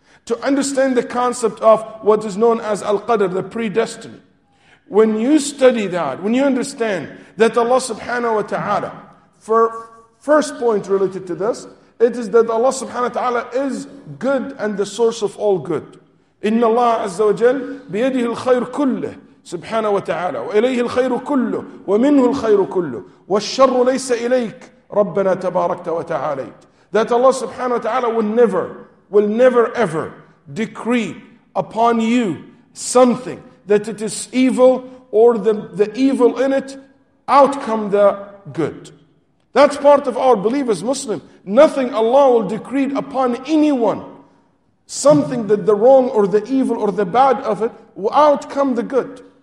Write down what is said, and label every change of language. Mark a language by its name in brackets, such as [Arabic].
[English] To understand the concept of what is known as al-qadr, the predestiny. When you study that, when you understand that Allah subhanahu wa ta'ala, for first point related to this, it is that Allah subhanahu wa ta'ala is good and the source of all good. [Arabic] إن الله عز وجل بيده الخير كله سبحانه وتعالى وإليه الخير كله ومنه الخير كله والشر ليس إليك ربنا تبارك وتعالى. [English] That Allah سبحانه وتعالى will never ever decree upon you something that it is evil or the evil in it outcome the good. That's part of our belief as Muslim. Nothing Allah will decree upon anyone something that the wrong or the evil or the bad of it will outcome the good.